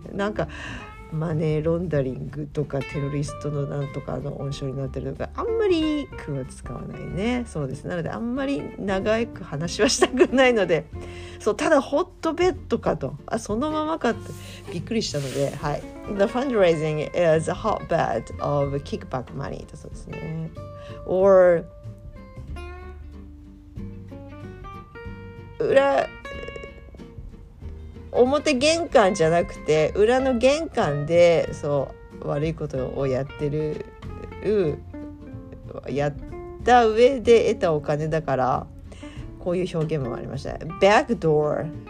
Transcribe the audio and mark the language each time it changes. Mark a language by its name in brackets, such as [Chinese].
[Japanese] なんかマネーロンダリングとかテロリストのなんとかの温床になってるとかあんまり句は使わないね。そうです。なのであんまり長く話はしたくないので、そうただホットベッドかと、あそのままかってびっくりしたので、はい。 [English] The fundraising is a hotbed of kickback money [Japanese] だそうですね。 or 裏表玄関じゃなくて裏の玄関でそう悪いことをやってる、やった上で得たお金だから、こういう表現もありました。 Backdoor